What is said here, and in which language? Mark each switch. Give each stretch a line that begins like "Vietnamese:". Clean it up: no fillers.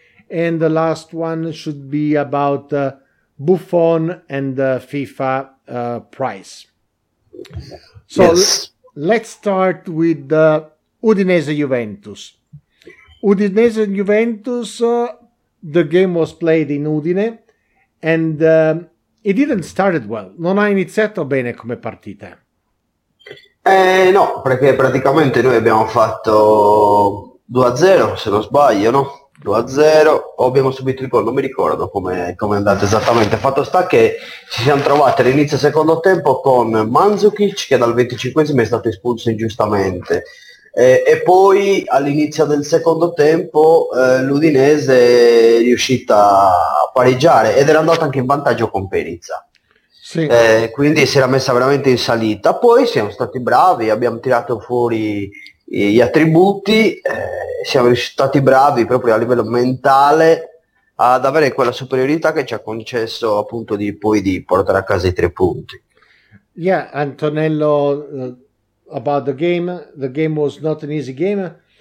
English: And the last one should be about Buffon and the FIFA price. So yes. Let's start with Udinese-Juventus. Udinese-Juventus, the game was played in Udine, and it didn't start well.
Italian: Non ha iniziato bene come partita. No, perché praticamente noi abbiamo fatto 2-0, se non sbaglio, no? 2-0, o abbiamo subito il gol, non mi ricordo come è andato esattamente. Fatto sta che ci siamo trovati all'inizio secondo tempo con Mandzukic, che dal 25esimo è stato espulso ingiustamente, e poi all'inizio del secondo tempo l'Udinese è riuscita a pareggiare ed era andata anche in vantaggio con Perizza. Sì. Quindi si era messa veramente in salita. Poi siamo stati bravi, abbiamo tirato fuori gli attributi, siamo stati bravi proprio a livello mentale ad avere quella superiorità che ci ha concesso appunto di poi di portare a casa i tre punti.
English: Yeah, Antonello, about the game was not an easy game.